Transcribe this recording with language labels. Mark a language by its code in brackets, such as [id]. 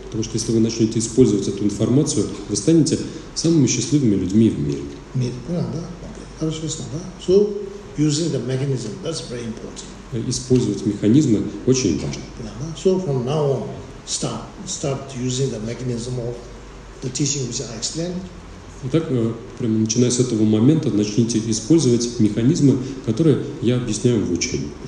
[ru] Потому что если вы начнете использовать эту информацию, вы станете самыми счастливыми людьми в мире. Хорошо, ясно, да? [en] So, using the mechanism, that's very important. [ru] Использовать механизмы очень важно. [en] Yeah, [ru] да? [en] So, from now on, start using the mechanism of the teaching which I explained, [ru] Итак, прямо начиная с этого момента, начните использовать механизмы, которые я объясняю в учении.